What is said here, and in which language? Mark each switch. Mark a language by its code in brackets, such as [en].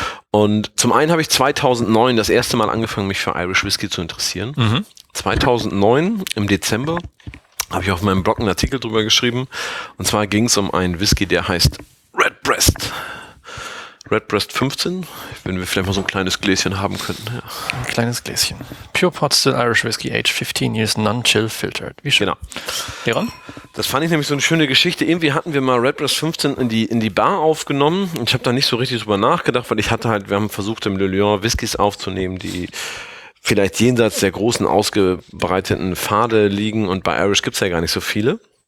[de] Und zum einen habe ich 2009 das erste Mal angefangen, mich für Irish Whisky zu interessieren. Mhm. 2009 im Dezember habe ich auf meinem Blog einen Artikel drüber geschrieben. Und zwar ging es um einen Whisky, der heißt Redbreast. Redbreast 15, wenn wir vielleicht mal so ein kleines Gläschen haben könnten. Ja. Ein kleines Gläschen. [en] Pure Pot Still Irish Whisky, aged 15 years, non-chill filtered. [de] Wie schön. Genau. Hieran? Das fand ich nämlich so eine schöne Geschichte. Irgendwie hatten wir mal Redbreast 15 in die Bar aufgenommen. Und ich habe da nicht so richtig drüber nachgedacht, weil ich hatte halt, wir haben versucht, im Le Lion Whiskys aufzunehmen, die vielleicht jenseits der großen ausgebreiteten Pfade liegen, und bei Irish gibt's ja gar nicht so viele.